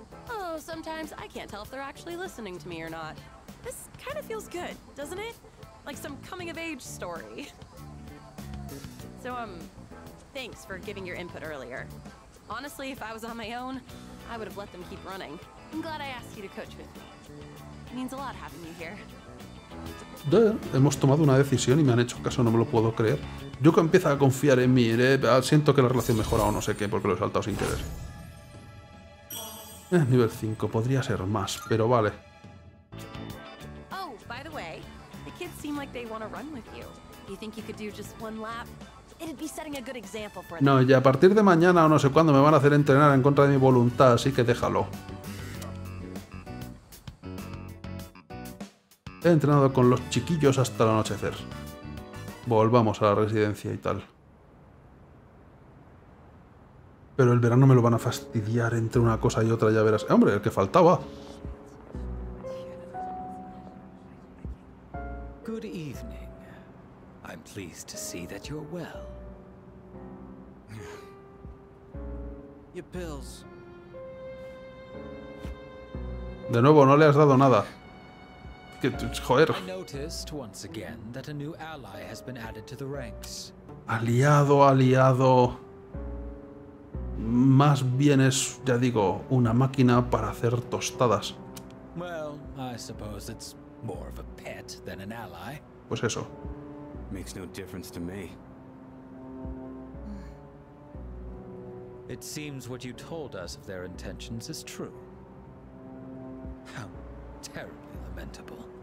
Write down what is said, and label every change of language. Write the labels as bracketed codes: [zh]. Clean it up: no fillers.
[en] Oh, sometimes I can't tell if they're actually listening to me or not. This kind of feels good, doesn't it? Like some coming-of-age story. So, thanks for giving your input earlier. Honestly, if I was on my own, I would have let them keep running. I'm glad I asked you to coach with me. It means a lot having you here. [es] De, hemos tomado una decisión y me han hecho caso, no me lo puedo creer. Yuko empieza a confiar en mí, siento que la relación mejora o no sé qué, porque lo he saltado sin querer. Nivel 5, podría ser más, pero vale. [en] Oh, by the way, the kids seem like they want to run with you. You think you could do just one lap? It'd be setting a good example for them. [es] No, y a partir de mañana o no sé cuándo me van a hacer entrenar en contra de mi voluntad, así que déjalo. He entrenado con los chiquillos hasta el anochecer. Volvamos a la residencia y tal. Pero el verano me lo van a fastidiar entre una cosa y otra, ya verás. ¡Hombre, el que faltaba! [en] Good evening. I'm pleased to see that you're well. Your pills. [es] De nuevo, no le has dado nada. Que, joder. [en] I noticed once again that a new ally has been added to the ranks. [es] Aliado, aliado. Más bien es, ya digo, una máquina para hacer tostadas. [en] Well, I suppose it's more of a pet than an ally. [es] Pues eso. [en] Makes no difference to me. It seems what you told us of their intentions is true. How terribly lamentable.